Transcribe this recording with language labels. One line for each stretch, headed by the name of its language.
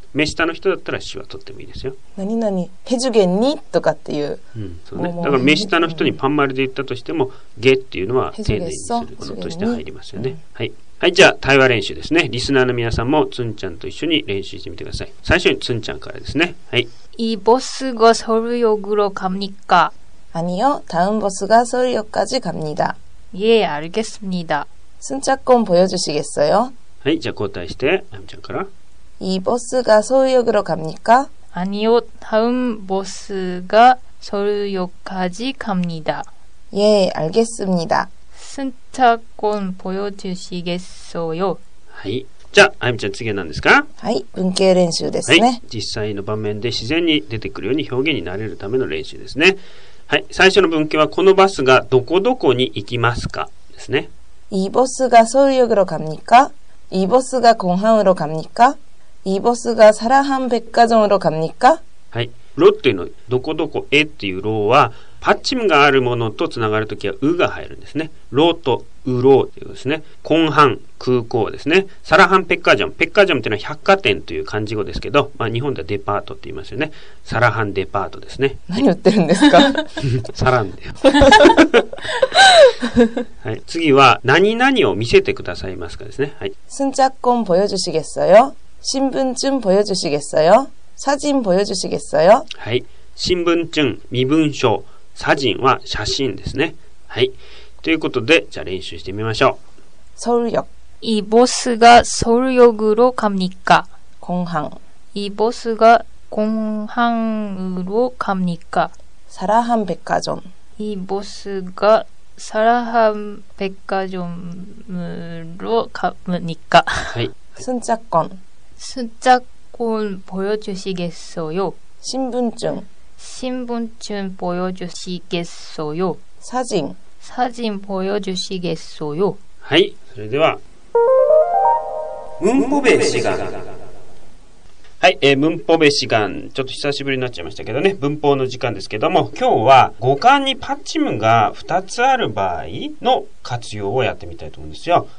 Japanese: 目下の人だったら C は取ってもいいですよ。何何해주겠니とかっていう。うん、そうね。だから目下の人にパンマルで言ったとしても、get っていうのは丁寧にすることとして入りますよね。うん、はい。はい、じゃあ対話練習ですね。リスナーの皆さんもツンちゃんと一緒に練習してみてください。最初にツンちゃんからですね。はい。
Korean: 이버스가서울역으로갑니까？ 아니요다음버스가서울역까지갑니다。 예알겠습니다。 승차권보여주시겠어요？
Japanese: はい、じゃあ交代してあやみちゃんから。
Korean: 이버스가서울역으로갑니까？ 아니요다음버스가서울역까지갑니다。 예알겠습니다。 승차권보여주시겠어요？
Japanese: はい。じゃあ、あやみちゃん次は何ですか？はい、文型練習ですね。はい、実際の場面で自然に出てくるように表現になれるための練習ですね。はい、最初の文型はこのバスがどこどこに行きますかですね。
Korean: 이버스가서울역으로갑니까？ 이버스가공항으로갑니까？ 이버스가사라함백화점으로갑니까？
Japanese: はい、ロっていうの、どこどこへっていうローはパッチムがあるものとつながるときはウが入るんですね。ロとウローっていうですね。コンハン、空港ですね。サラハンペッカジョン。ペッカジョンっていうのは百貨店という漢字語ですけど、まあ日本ではデパートって言いますよね。サラハンデパートですね。何言ってるんですか？サランだよ。はい、次は何々を見せてくださいますかですね。はい。
Korean: スンチャッコン보여주시겠어요？新聞증보여주시겠어요？写真보여주시겠어요？
Japanese: はい。新聞증、身分証。 写真は写真ですね。はい。ということで、じゃあ練習してみましょう。
Korean: ソウル역。 이버스가ソウル역으로갑니까？ 공항。 이버스가공항으로갑니까？ 사라함백화점。 이버스가사라함백화점으로갑니까？
Japanese: はい。
Korean: 승차권。 승차권보여주시겠어요？ 신분증。 신분증보여주시겠어요？ 사진。 사진보여주시겠어요？
Japanese: はい、それでは文法別時間。はい、文法別時間、ちょっと久しぶりになっちゃいましたけどね、文法の時間ですけども、今日は語幹にパッチムが2つある場合の活用をやってみたいと思うんですよ。